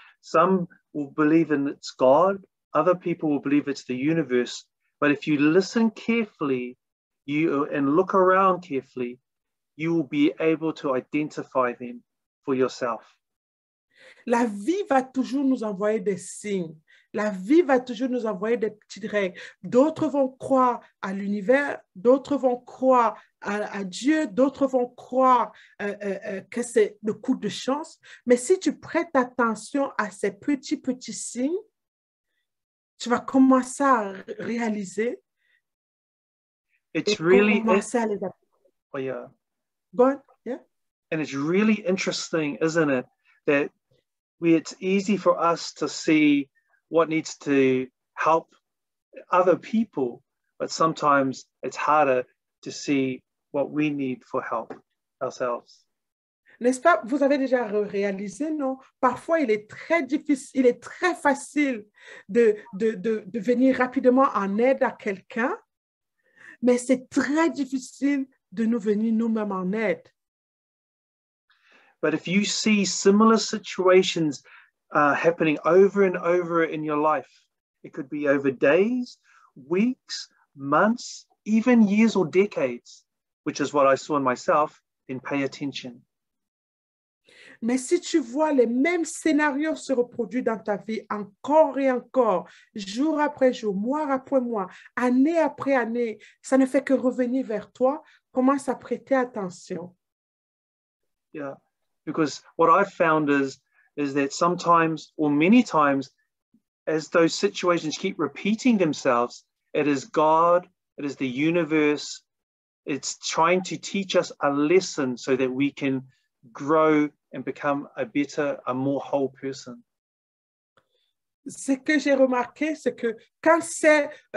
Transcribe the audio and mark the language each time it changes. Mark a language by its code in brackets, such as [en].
[en] Some will believe in it's God, other people will believe it's the universe. But if you listen carefully, you and look around carefully, you will be able to identify them for yourself. [fr] La vie va toujours nous envoyer des signes. La vie va toujours nous envoyer des petites règles. D'autres vont croire à l'univers, d'autres vont croire à Dieu, d'autres vont croire que c'est le coup de chance. Mais si tu prêtes attention à ces petits signes, tu vas commencer à réaliser. [en] It's really [fr] commencer à les appliquer. [en] Oh yeah. Go on. Yeah. And it's really interesting, isn't it, that it's easy for us to see what needs to help other people, but sometimes it's harder to see what we need for help ourselves. [fr] N'est-ce pas? Vous avez déjà réalisé, non? Parfois, il est très difficile, il est très facile de venir rapidement en aide à quelqu'un, mais c'est très difficile de nous venir nous-mêmes en aide. [en] But if you see similar situations happening over and over in your life, it could be over days, weeks, months, even years or decades, which is what I saw in myself, then pay attention. [fr] Mais si tu vois les mêmes scénarios se reproduire dans ta vie encore et encore, jour après jour, mois après mois, année après année, ça ne fait que revenir vers toi, commence à prêter attention. [en] Yeah. Because what I've found is that sometimes, or many times, as those situations keep repeating themselves, it is God, it is the universe, it's trying to teach us a lesson so that we can grow and become a better, a more whole person. [fr] Ce que j'ai remarqué, c'est que quand c'est